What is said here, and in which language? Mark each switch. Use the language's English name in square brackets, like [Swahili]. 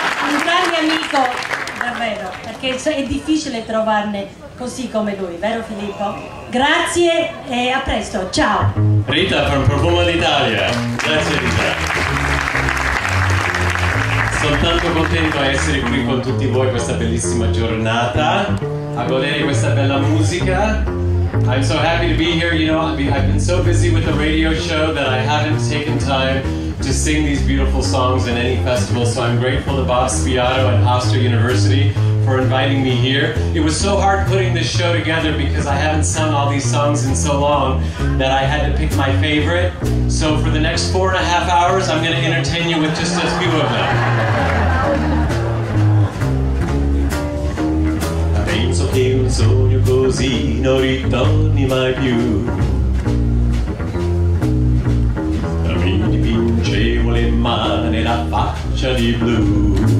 [Italian] Un grande amico, davvero, perché è difficile trovarne così come lui, vero Filippo? Grazie e a presto, ciao! [English] Rita from Profumo d'Italia, [Italian] grazie Rita. Sono tanto contento di essere qui con tutti voi questa bellissima giornata, a godere questa bella musica. [English] I'm so happy to be here, you know, I've been so busy with the radio show that I haven't taken time to sing these beautiful songs in any festival, so I'm grateful to Bob Spiato and Hofstra University for inviting me here. It was so hard putting this show together because I haven't sung all these songs in so long that I had to pick my favorite. So for the next 4.5 hours, I'm gonna entertain you with just a few of them. [Italian] Penso che un sogno così non ritorni mai più. Dipingevo le mani e la faccia di blu.